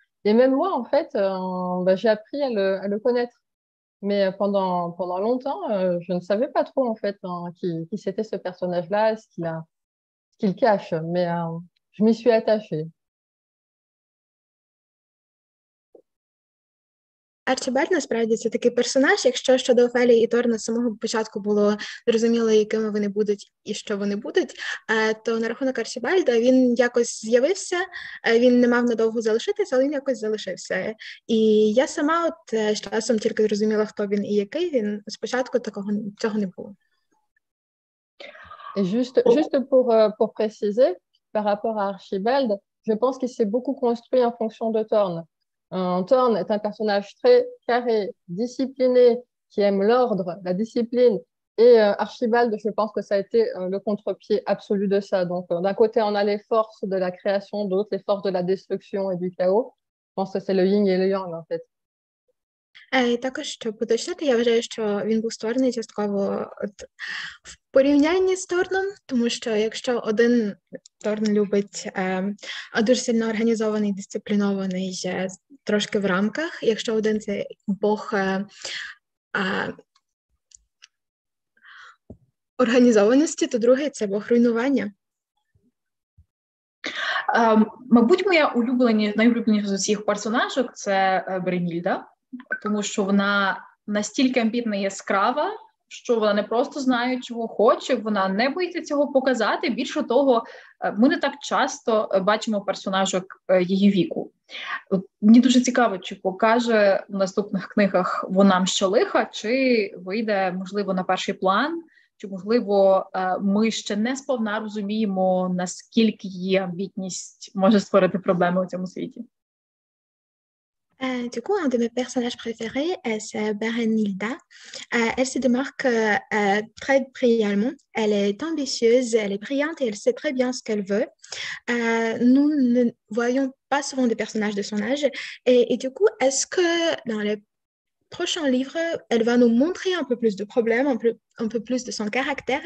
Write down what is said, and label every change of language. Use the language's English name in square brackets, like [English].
[French] Et même moi, en fait, j'ai appris à le connaître. Mais pendant longtemps, je ne savais pas trop en fait qui c'était ce personnage-là, ce qu'il cache. Mais je m'y suis attachée. [Ukrainian] Арчибальд насправді це такий персонаж, якщо щодо Офелії і Торна з самого початку було зрозуміло, якими вони будуть і що вони будуть, то на рахунок Арчибальда він якось з'явився, він не мав надовго залишитися, але він якось залишився. І я сама от з часом тільки зрозуміла, хто він і який він. Спочатку такого цього не було. [French] Et juste pour préciser, par rapport à Archibald, je pense qu'il s'est beaucoup construit en fonction de Thorn. Thorn est un personnage très carré, discipliné, qui aime l'ordre, la discipline. Et Archibald, je pense que ça a été le contre-pied absolu de ça. Donc d'un côté, on a les forces de la création, d'autres les forces de la destruction et du chaos. Je pense que c'est le yin et le yang, en fait. [Ukrainian] Також, щоб уточнити, я вважаю, що він був створений частково от, в порівнянні з Торном, тому що якщо один Торн любить дуже сильно організований, дисциплінований, трошки в рамках, якщо один це Бог організованості, то другий це Бог руйнування. Мабуть, моя найулюбленіша з усіх персонажок – це Бринільда. Тому що вона настільки амбітна і яскрава, що вона не просто знає, чого хоче, вона не боїться цього показати. Більше того, ми не так часто бачимо персонажок її віку. Мені дуже цікаво, чи покаже в наступних книгах вона мщолиха, чи вийде, можливо, на перший план, чи, можливо, ми ще не сповна розуміємо, наскільки її амбітність може створити проблеми у цьому світі. [French] Du coup, un de mes personnages préférés, c'est Berenilda. Elle se démarque très brillamment. Elle est ambitieuse, elle est brillante et elle sait très bien ce qu'elle veut. Nous ne voyons pas souvent des personnages de son âge. Et du coup, est-ce que dans les prochains livres, elle va nous montrer un peu plus de problèmes, un peu plus de son caractère?